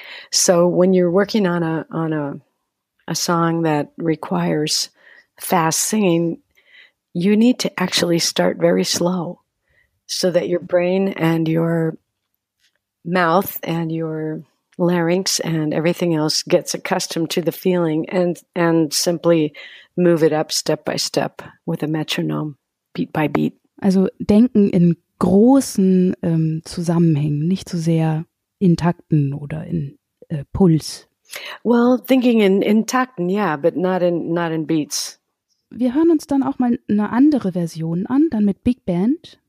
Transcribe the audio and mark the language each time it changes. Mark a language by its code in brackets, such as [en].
[en] So when you're working on a song that requires fast singing, you need to actually start very slow so that your brain and your mouth and your larynx and everything else gets accustomed to the feeling and simply move it up step by step with a metronome, beat by beat. [de] Also denken in großen Zusammenhängen, nicht so sehr in Takten oder in Puls. [en] Well, thinking in Takten, yeah, but not in beats. [de] Wir hören uns dann auch mal eine andere Version an, dann mit Big Band.